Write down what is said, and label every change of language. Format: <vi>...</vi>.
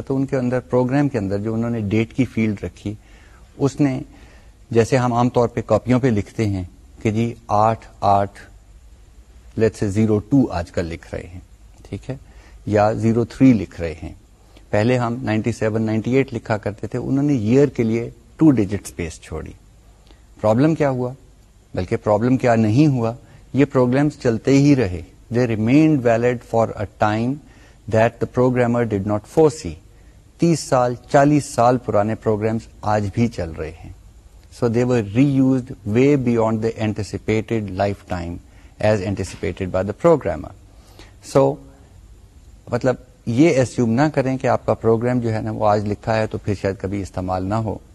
<ur>تو ان کے اندر پروگرام کے اندر جو انہوں نے ڈیٹ کی فیلڈ رکھی, اس نے جیسے ہم عام طور پہ کاپیوں پہ لکھتے ہیں کہ جی 8802 آج کل لکھ رہے ہیں, ٹھیک ہے, یا 03 لکھ رہے ہیں. پہلے ہم 97-98 لکھا کرتے تھے, انہوں نے ایئر کے لیے 2 ڈیجٹ اسپیس چھوڑی. پرابلم کیا ہوا, بلکہ پرابلم کیا نہیں ہوا, یہ پروگرامز چلتے ہی رہے.</ur> <en>They remained valid for a time that the programmer did not foresee.</en> <ur>30-40 سال پرانے پروگرامز آج بھی چل رہے ہیں.</ur> <en>So they were reused way beyond the anticipated lifetime as anticipated by the programmer.</en> <ur>سو مطلب یہ ایسیوم نہ کریں کہ آپ کا پروگرام جو ہے نا وہ آج لکھا ہے تو پھر شاید کبھی استعمال نہ ہو.</ur>